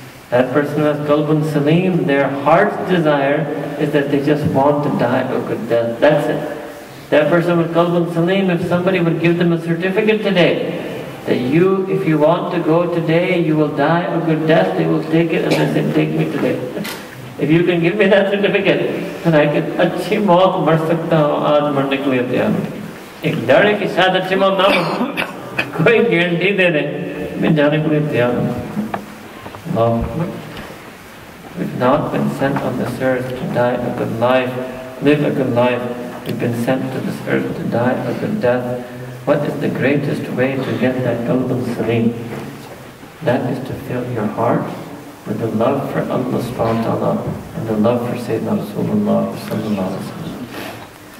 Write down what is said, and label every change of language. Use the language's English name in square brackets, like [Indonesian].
[English] That person who has qalbun salim, their heart's desire is that they just want to die a good death. That's it. That person with qalbun salim, if somebody would give them a certificate today, that you, if you want to go today, you will die a good death, they will take it and they say, take me today. If you can give me that certificate, then I can [Urdu] اچھی موت مر سکتا ہوں آج مرنے کے لیے تیار ہوں۔ ایک ڈر کے ساتھ اچھی موت نہ ہو، کوئی guarantee دے دے، میں جانے کے لیے تیار ہوں۔ [English] We've not been sent on this earth to die a good life, live a good life. We've been sent to this earth to die a good death. What is the greatest way to get that qalbun salim? That is to fill your heart with the love for Allah subhanahu wa ta'ala and the love for Sayyidina Rasulullah sallallahu alayhi wa sallam.